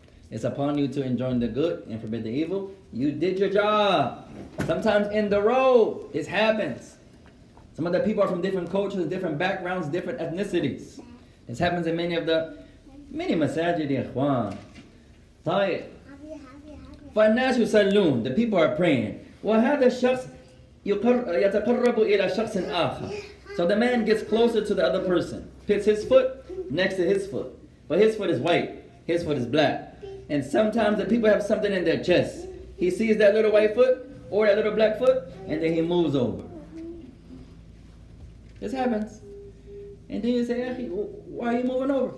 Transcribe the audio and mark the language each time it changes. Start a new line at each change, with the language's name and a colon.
English: It's upon you to enjoin the good and forbid the evil. You did your job. Sometimes in the road, this happens. Some of the people are from different cultures, different backgrounds, different ethnicities. This happens in many masajid, ya ikhwan. Tayyib.
Arabic: فالناس يصلون.
English: The people are praying.
Arabic: وهذا الشخص يتقرب إلى شخص آخر.
English: So the man gets closer to the other person. Puts his foot next to his foot. But his foot is white. His foot is black. And sometimes the people have something in their chest. He sees that little white foot or that little black foot and then he moves over. This happens. And then you say, why are you moving over?